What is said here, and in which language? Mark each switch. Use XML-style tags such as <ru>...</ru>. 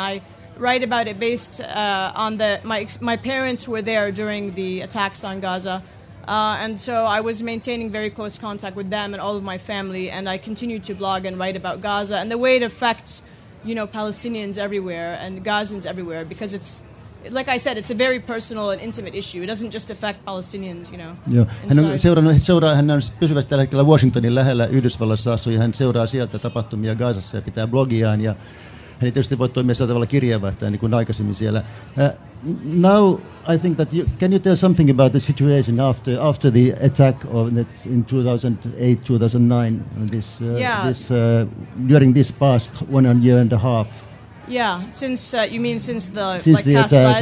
<en>I write about it based on my parents were there during the attacks on Gaza, and so I was maintaining very close contact with them and all of my family, and I continued to blog and write about Gaza and the way it affects, you know, Palestinians everywhere and Gazans everywhere, because it's like I said, it's a very personal and intimate issue. It doesn't just affect Palestinians, you know.</en> <fi>Joo. Hän on pysyvästi tällä hetkellä Washingtonin lähellä Yhdysvalloissa, ja hän seuraa sieltä tapahtumia Gazassa ja pitää blogiaan ja hän ei tietysti voi toimia sillä tavalla kirjeenvaihtaja niin kuin aikaisemmin siellä.</fi> <en>Now I think that can you tell something about the situation after the attack of in 2008-2009 during this past 1 year and a half. Yeah, since the since like the attack.</en>